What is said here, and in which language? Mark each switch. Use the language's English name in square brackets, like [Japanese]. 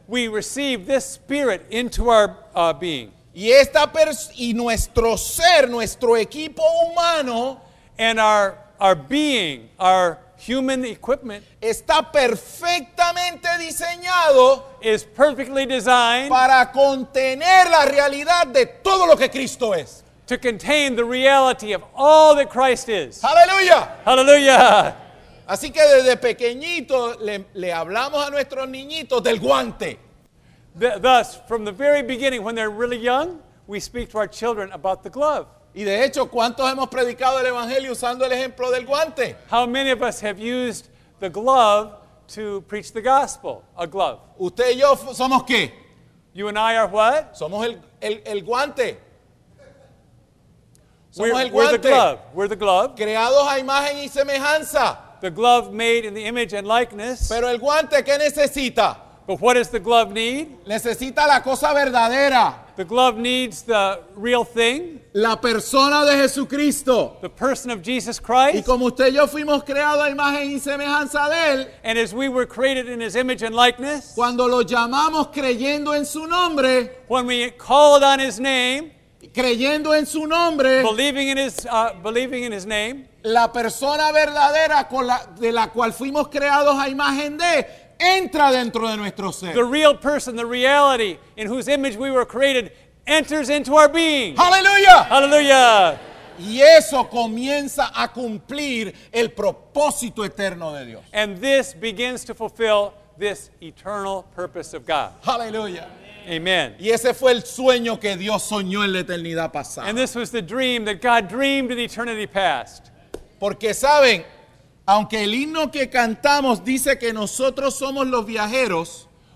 [English] We receive this Spirit into our being. [Spanish] Y esta y nuestro ser, nuestro equipo humano, [English] and our being, our human equipment, [Spanish] está perfectamente diseñado, [English] is perfectly designed, [Spanish] para contener la realidad de todo lo que Cristo es. [English] To contain the reality of all that Christ is. Hallelujah. Hallelujah. [Spanish] Así que desde pequeñito le hablamos a nuestros niñitos del guante. [English] Thus, from the very beginning, when they're really young, we speak to our children about the glove. [Spanish] Y de hecho, ¿cuántos hemos predicado el evangelio usando el ejemplo del guante? [English] How many of us have used the glove to preach the gospel? A glove. [Spanish] ¿Usted y yo somos qué? [English] You and I are what? [Spanish] Somos el guante. [English] We're the glove. We're the glove. [Spanish] Creados a imagen y semejanza. [English] The glove made in the image and likeness. [Spanish] Pero el guante, ¿qué necesita? [English] But what does the glove need? [Spanish] Necesita la cosa verdadera. [English] The glove needs the real thing. [Spanish] La persona de Jesucristo. [English] The person of Jesus Christ. [Spanish] Y como usted y yo fuimos creados a imagen y semejanza de él. [English] And as we were created in his image and likeness. [Spanish] Cuando lo llamamos creyendo en su nombre. [English] When we called on his name. [Spanish] Creyendo en su nombre. [English] Believing in his name. [Spanish] La persona verdadera de la cual fuimos creados a imagen de. Entra dentro de nuestro ser. [English] The real person, the reality in whose image we were created enters into our being. Hallelujah. Hallelujah. [Spanish] Y eso comienza a cumplir el propósito eterno de Dios. [English] And this begins to fulfill this eternal purpose of God. Hallelujah. Amen. [Spanish] Y ese fue el sueño que Dios soñó en la eternidad pasada. [English] And this was the dream that God dreamed in eternity past. [Spanish] Porque saben, aunque el himno que cantamos dice que nosotros somos los viajeros,